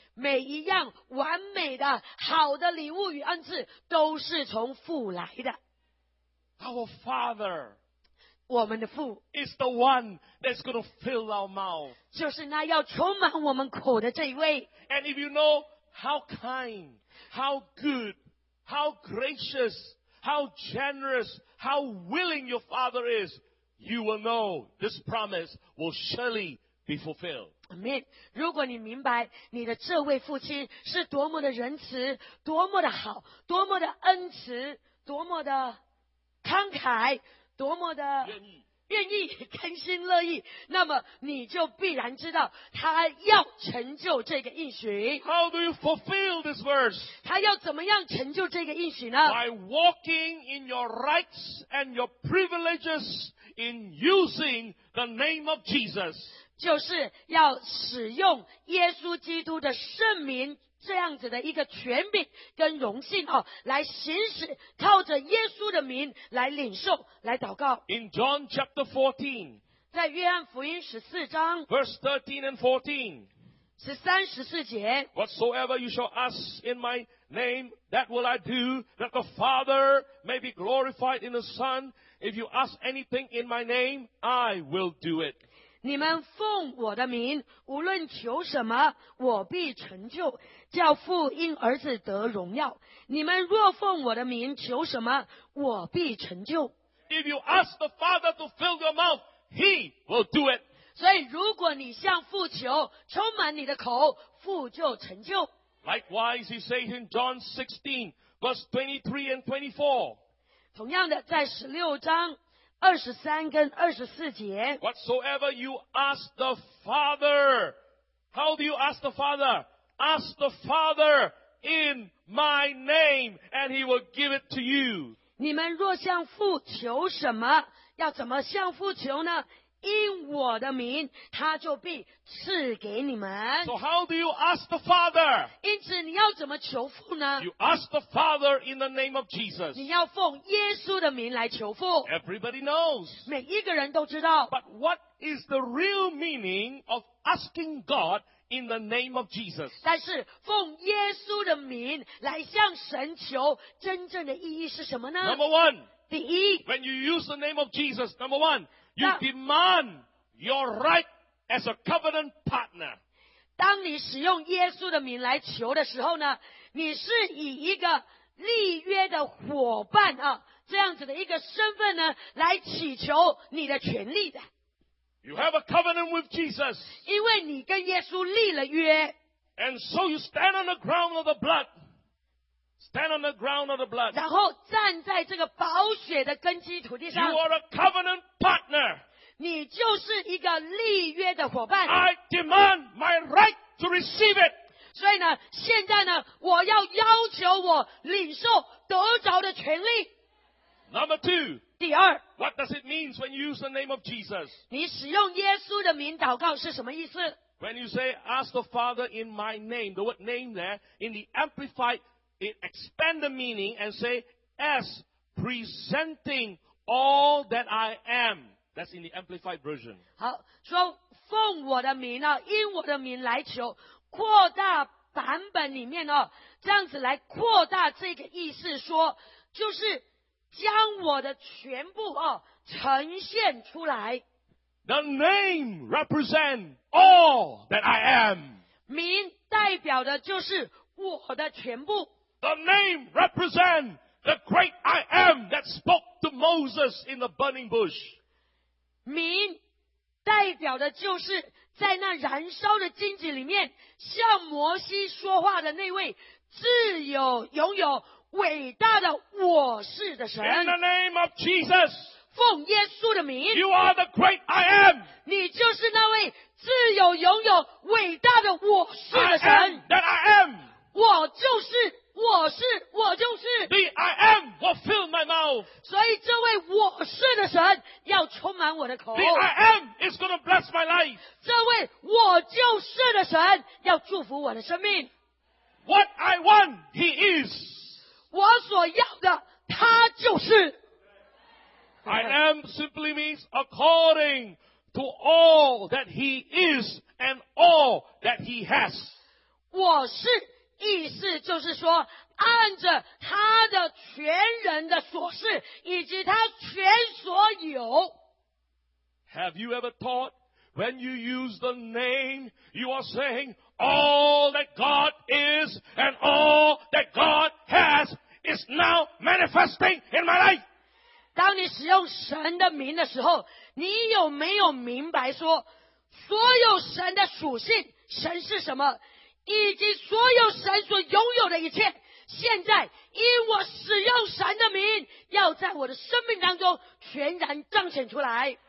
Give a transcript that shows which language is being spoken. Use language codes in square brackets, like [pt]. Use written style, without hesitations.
[zh] 每一样完美的好的礼物与恩赐都是从父来的 [en] Our Father [zh] 我们的父 [en] is the one that's going to fill our mouth [zh] 就是那要充满我们口的这一位 [en] And if you know how kind, how good, how gracious, how generous, how willing your Father is you will know this promise will surely be fulfilled Amen. [zh] 如果你明白你的这位父亲是多么的仁慈多么的好多么的恩慈多么的慷慨多么的愿意甘心乐意那么你就必然知道他要成就这个应许 [en] How do you fulfill this verse? [zh] 他要怎么样成就这个应许呢 [en] By walking in your rights and your privileges in using the name of Jesus [zh] 就是要使用耶稣基督的圣名这样子的一个权柄跟荣幸、哦、来行使靠着耶稣的名来领受来祷告 [en] In John chapter 14 [zh] 在约翰福音十四章 [en] Verse 13 and 14 [zh] 十三十四节 [en] Whatsoever you shall ask in my name that will I do that the Father may be glorified in the Son if you ask anything in my name I will do it [zh] 你们奉我的名无论求什么我必成就叫父因儿子得荣耀你们若奉我的名求什么我必成就 [en] If you ask the Father to fill your mouth He will do it [zh] 所以如果你向父求充满你的口父就成就 [en] Likewise he says in John 16 verse 23 and 24 [zh] 同样的在16章23跟24节。 [en] Whatsoever you ask the Father, how do you ask the Father? Ask the Father in my name, and he will give it to you. [zh] 你们若向父求什么，要怎么向父求呢？因我的名，他就必赐给你们。 [en] So how do you ask the Father? [zh] 因此你要怎么求父呢？ [en] You ask the Father in the name of Jesus. [zh] 你要奉耶稣的名来求父。 [en] Everybody knows. [zh] 每一个人都知道。 [en] But what is the real meaning of asking God in the name of Jesus? [zh] 但是奉耶稣的名来向神求，真正的意义是什么呢？ [en] Number one. [zh] 第一。 [en] When you use the name of Jesus, number one. You demand your right as a covenant partner. [zh] 当你使用耶稣的名来求的时候呢，你是以一个立约的伙伴啊，这样子的一个身份呢，来祈求你的权利的。 [en] You have a covenant with Jesus. [zh] 因为你跟耶稣立了约。 [en] And so you stand on the ground of the blood. Stand on the ground of the blood. [zh] 然后站在这个宝血的根基土地上。 [en] You are a covenant partner. [zh] 你就是一个立约的伙伴。 [en] I demand my right to receive it. [zh] 所以呢，现在呢，我要要求我领受得着的权利。 [en] Number two. [zh] 第二。 [en] What does it mean when you use the name of Jesus? [zh] 你使用耶稣的名祷告是什么意思？ [en] When you say, ask the Father in my name, the word name there, in the AmplifiedIt expand the meaning and say, as presenting all that I am. That's in the Amplified Version. [zh] 好，说奉我的名啊，因我的名来求，扩大版本里面啊，这样子来扩大这个意思，说就是将我的全部啊呈现出来。 [en] The name represents all that I am. [zh] 名代表的就是我的全部。 [en] The name represents the great I am that spoke to Moses in the burning bush. [zh] 名代表的就是在那燃烧的荆棘里面向摩西说话的那位自有拥有伟大的我是的神。 [en] In the name of Jesus, [zh] 奉耶稣的名， [en] You are the great I am. [zh] 你就是那位自有拥有伟大的我是的神。 [en] I am that I am. [zh] 我就是。我是我就是 [en] The I am will fill my mouth. [zh] 所以这位我是的神要充满我的口。 [en] The I am is going to bless my life. [zh] 这位我就是的神要祝福我的生命。 [en] What I want, he is. [zh] 我所要的他就是。 [en] I am simply means according to all that he is and all that he has. [zh] 我是意思就是说按着他的全人的所事以及他全所有。 [en] Have you ever thought when you use the name you are saying all that God is and all that God has is now manifesting in my life? [zh] 当你使用神的名的时候你有没有明白说所有神的属性神是什么以及所有神所拥有的一切现在因我使用神的名要在我的生命当中全然彰显出来。